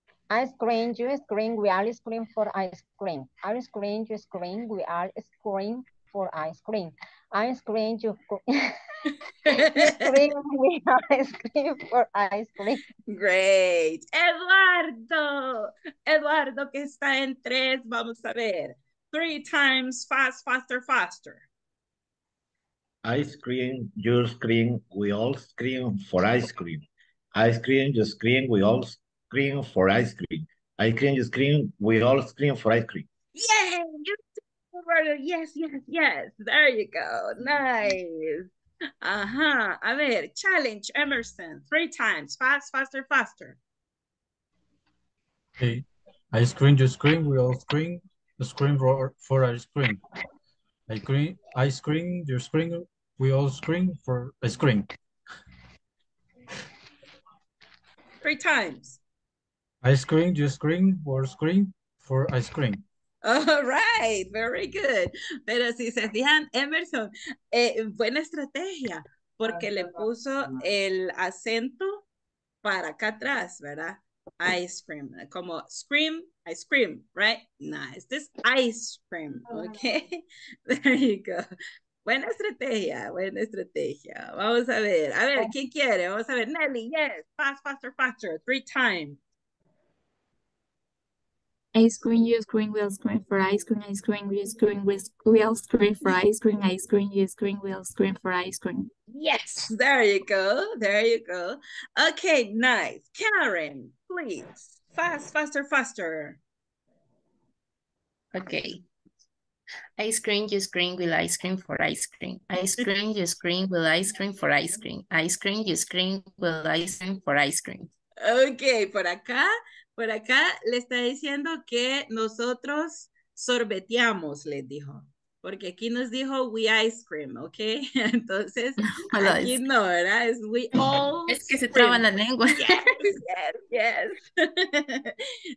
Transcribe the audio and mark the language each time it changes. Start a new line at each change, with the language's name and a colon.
English: Ice cream, you scream, we all scream for ice cream. Ice cream, you scream, we all scream for ice cream. Ice cream, you scream, we all scream for ice cream. Great. Eduardo.
Spanish: Eduardo, que está en tres, vamos a ver.
English: Three times, fast, faster, faster. Ice cream, you scream, we all scream for ice cream. Ice cream, you scream, we all scream for ice cream. Ice cream, you scream, we all scream for ice cream. Yay! You yes, yes, yes. There you go. Nice. Uh-huh.
Spanish: A ver,
English: challenge, Emerson. Three times. Fast, faster, faster. Okay. Ice cream, you scream, we all scream. Scream for ice cream. Ice cream, you scream, we all scream for ice cream. Three times. Ice cream, you scream, we all scream for ice cream. All right, very good.
Spanish: Pero si se fijan, Emerson, buena estrategia, porque le puso el acento para acá atrás, ¿verdad?
English: Ice cream, como scream, ice cream, right? Nice, this ice cream, okay? There you go.
Spanish: Buena estrategia, buena estrategia. Vamos a ver, ¿quién quiere? Vamos a ver,
English: Nelly, yes, fast, faster, faster, three times. Ice cream, you scream, we'll scream for ice cream, you scream, we'll scream for ice cream, you scream, we'll scream for ice cream. Yes, there you go, there you go. Okay, nice. Karen, please, fast, faster, faster. Okay. Ice cream, you scream, we'll ice cream for ice cream. Ice cream, you scream, we'll ice cream for ice cream. Ice cream, you scream, we'll ice cream for ice cream.
Spanish: Okay, por acá. Por acá le está diciendo que nosotros sorbeteamos, les dijo. Porque aquí nos dijo
English: we ice cream,
Spanish: ¿ok? Entonces, aquí no, ¿verdad? Es
English: we all
Spanish: es que scream. Se traba la lengua.
English: Yes, yes, yes.